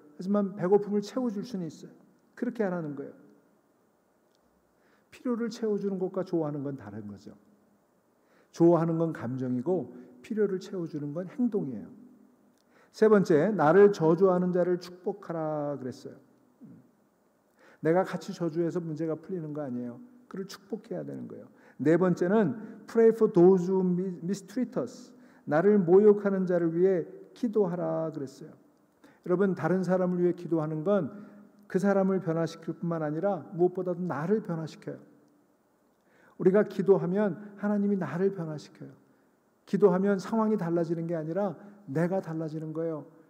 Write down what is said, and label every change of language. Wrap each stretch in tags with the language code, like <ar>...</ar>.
<ko>하지만 배고픔을 채워줄 수는 있어요. 그렇게 하라는 거예요. 필요를 채워주는 것과 좋아하는 건 다른 거죠. 좋아하는 건 감정이고 필요를 채워주는 건 행동이에요. 세 번째, 나를 저주하는 자를 축복하라 그랬어요. 내가 같이 저주해서 문제가 풀리는 거 아니에요. 그를 축복해야 되는 거예요.</ko> <en>네 번째는 Pray for those who mistreat us.</en> <ko>나를 모욕하는 자를 위해 기도하라 그랬어요. 여러분 다른 사람을 위해 기도하는 건 그 사람을 변화시킬 뿐만 아니라 무엇보다도 나를 변화시켜요. 우리가 기도하면 하나님이 나를 변화시켜요. 기도하면 상황이 달라지는 게 아니라 내가 달라지는 거예요.</ko>